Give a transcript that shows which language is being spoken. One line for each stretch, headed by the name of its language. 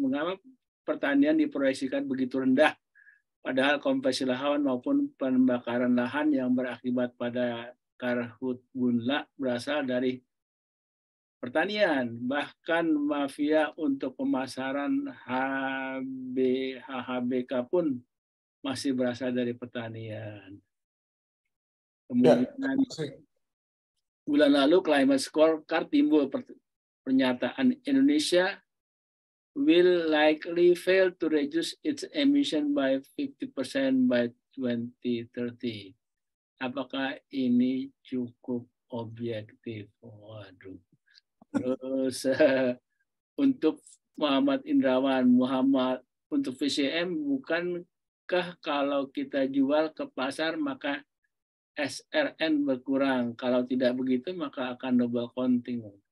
Indonesian: Mengapa pertanian diproyeksikan begitu rendah? Padahal konversi lahan maupun pembakaran lahan yang berakibat pada karhutla berasal dari pertanian. Bahkan mafia untuk pemasaran HHBK pun masih berasal dari pertanian. Kemudian, ya. Bulan lalu climate scorecard timbul pernyataan
English: Indonesia will likely fail to reduce its emission by 50% by 2030.
Indonesian: Apakah ini cukup objektif? Waduh. Terus untuk Muhammad Indrawan, Muhammad untuk VCM bukankah kalau kita jual ke pasar maka SRN berkurang, kalau tidak begitu maka akan double counting.